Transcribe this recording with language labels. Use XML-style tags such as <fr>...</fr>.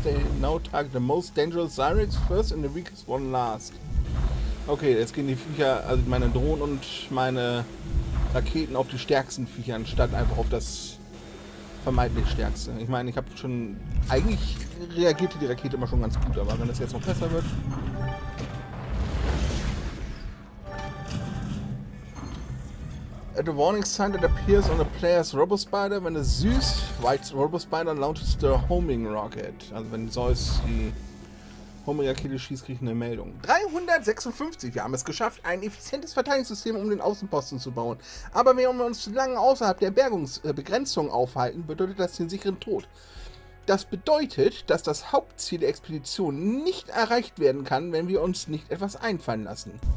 <en>They now target the most dangerous Zyrex first and the weakest one last.</en> <de>Okay, jetzt gehen die Viecher, also meine Drohnen und meine Raketen auf die stärksten Viecher, anstatt einfach auf das vermeintlich stärkste. Ich meine, ich habe schon. Eigentlich reagierte die Rakete immer schon ganz gut, aber wenn es jetzt noch besser wird.</de> <en>At a warning sign that appears on a player's Robo-Spider, when a Zeus White Robo-Spider launches the homing rocket.</en> <de>Also, wenn Zeus die Homing-Rakete schießt, kriege ich eine Meldung. 356. Wir haben es geschafft, ein effizientes Verteidigungssystem um den Außenposten zu bauen. Aber wenn wir uns lange außerhalb der Bergungsbegrenzung aufhalten, bedeutet das den sicheren Tod. Das bedeutet, dass das Hauptziel der Expedition nicht erreicht werden kann, wenn wir uns nicht etwas einfallen lassen.</de>